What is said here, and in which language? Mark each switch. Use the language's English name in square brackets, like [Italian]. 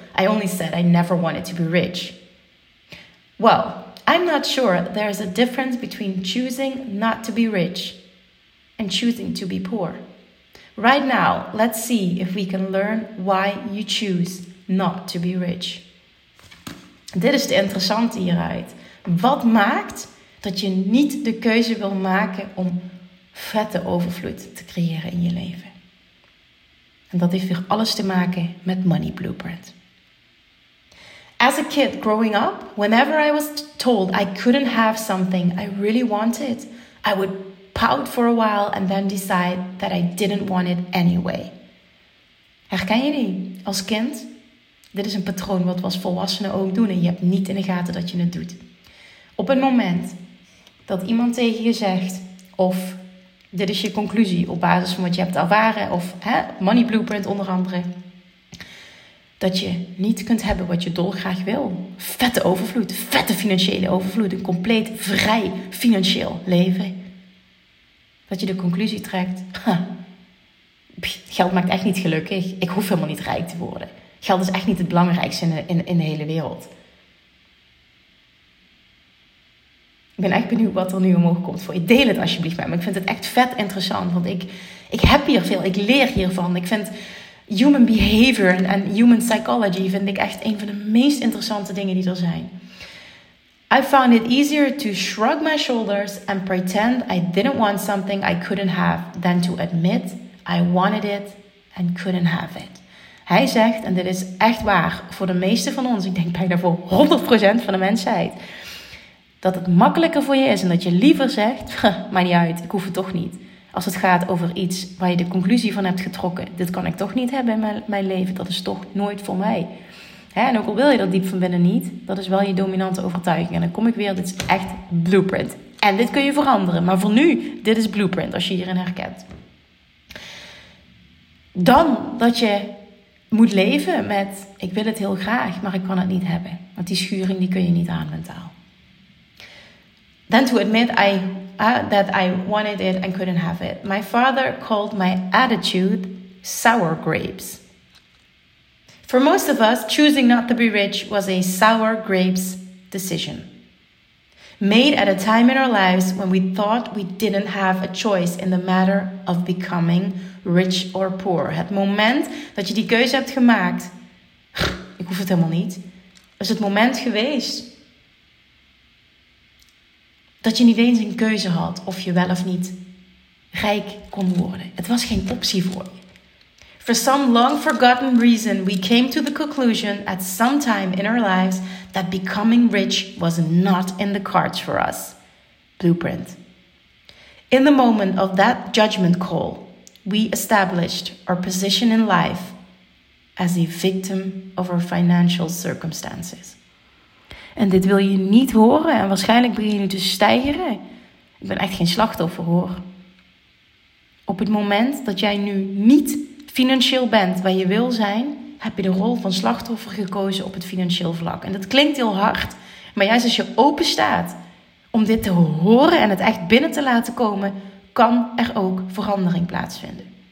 [English] I only said I never wanted to be rich. Well, I'm not sure there's a difference between choosing not to be rich and choosing to be poor. Right now, let's see if we can learn why you choose not to be rich. [Dutch] Dit is het interessante hieruit. Wat maakt dat je niet de keuze wil maken om vette overvloed te creëren in je leven? En dat heeft weer alles te maken met Money Blueprint. [English] As a kid growing up, whenever I was told I couldn't have something I really wanted, I would pout for a while and then decide that I didn't want it anyway. [Dutch] Herken je die? Als kind? Dit is een patroon wat we als volwassenen ook doen en je hebt niet in de gaten dat je het doet. Op het moment dat iemand tegen je zegt of dit is je conclusie op basis van wat je hebt ervaren of Money Blueprint onder andere. Dat je niet kunt hebben wat je dolgraag wil. Vette overvloed, vette financiële overvloed, een compleet vrij financieel leven. Dat je de conclusie trekt, geld maakt echt niet gelukkig, ik hoef helemaal niet rijk te worden. Geld is echt niet het belangrijkste in de hele wereld. Ik ben echt benieuwd wat er nu omhoog komt voor je. Deel het alsjeblieft met me. Ik vind het echt vet interessant. Want ik heb hier veel. Ik leer hiervan. Ik vind [English] human behavior [Dutch] en [English] human psychology [Dutch] vind ik echt een van de meest interessante dingen die er zijn. [English] I found it easier to shrug my shoulders and pretend I didn't want something I couldn't have than to admit I wanted it and couldn't have it. [Dutch] Hij zegt, en dit is echt waar voor de meeste van ons, ik denk bijna voor 100% van de mensheid, dat het makkelijker voor je is en dat je liever zegt, maar niet uit, ik hoef het toch niet. Als het gaat over iets waar je de conclusie van hebt getrokken, dit kan ik toch niet hebben in mijn leven, dat is toch nooit voor mij. Hè, en ook al wil je dat diep van binnen niet, dat is wel je dominante overtuiging. En dan kom ik weer, dit is echt blueprint. En dit kun je veranderen. Maar voor nu, dit is blueprint als je hierin herkent. Dan dat je moet leven met, ik wil het heel graag, maar ik kan het niet hebben. Want die schuring die kun je niet aan mentaal. [English] Then to admit that I wanted it and couldn't have it. My father called my attitude sour grapes. For most of us, choosing not to be rich was a sour grapes decision. Made at a time in our lives when we thought we didn't have a choice in the matter of becoming rich or poor. [Dutch] Het moment dat je die keuze hebt gemaakt, ik hoef het helemaal niet, is het moment geweest dat je niet eens een keuze had of je wel of niet rijk kon worden. Het was geen optie voor je. [English] For some long forgotten reason, we came to the conclusion at some time in our lives that becoming rich was not in the cards for us. Blueprint. In the moment of that judgment call, we established our position in life as a victim of our financial circumstances. [Dutch] En dit wil je niet horen en waarschijnlijk begin je nu te stijgeren. Ik ben echt geen slachtoffer hoor. Op het moment dat jij nu niet financieel bent waar je wil zijn, heb je de rol van slachtoffer gekozen op het financieel vlak. En dat klinkt heel hard, maar juist als je open staat om dit te horen en het echt binnen te laten komen, kan er ook verandering plaatsvinden.